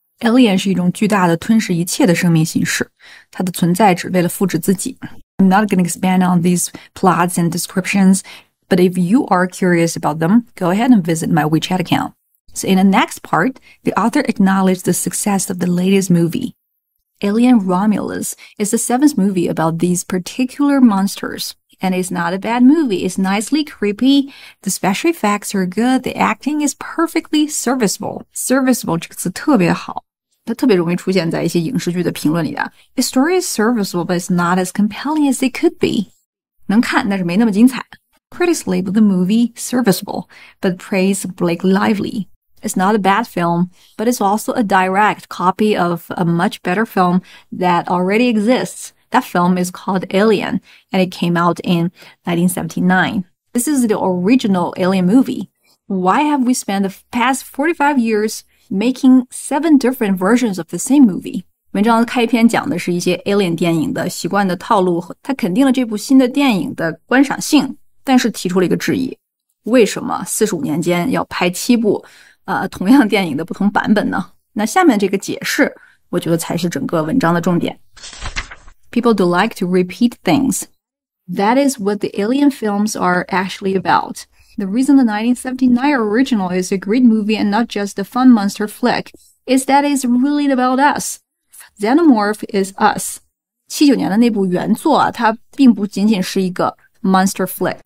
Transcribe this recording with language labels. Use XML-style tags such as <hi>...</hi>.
<zh>Alien 是一种巨大的吞噬一切的生命形式，它的存在只为了复制自己。</zh> <en>I'm not going to expand on these plots and descriptions, but if you are curious about them, go ahead and visit my WeChat account. So in the next part, the author acknowledged the success of the latest movie. Alien Romulus is the seventh movie about these particular monsters, and it's not a bad movie. It's nicely creepy, the special effects are good, the acting is perfectly serviceable.</en> <zh>Serviceable 这个词特别好。它特别容易出现在一些影视剧的评论里的。</zh> <en>The story is serviceable, but it's not as compelling as it could be.</en> <zh>能看，但是没那么精彩。</zh> <en>Critics label the movie serviceable, but praise Blake Lively. It's not a bad film, but it's also a direct copy of a much better film that already exists. That film is called Alien, and it came out in 1979. This is the original Alien movie. Why have we spent the past 45 years... making seven different versions of the same movie.</en> <zh>文章开篇讲的是一些 Alien 电影的习惯的套路，他肯定了这部新的电影的观赏性，但是提出了一个质疑。为什么45年间要拍七部同样电影的不同版本呢？那下面这个解释，我觉得才是整个文章的重点。</zh> <en>People do like to repeat things. That is what the Alien films are actually about. The reason the 1979 original is a great movie and not just a fun monster flick is that it's really about us. Xenomorph is us.</en> <zh>79年的那部原作啊，它并不仅仅是一个</zh> <en>monster flick.</en>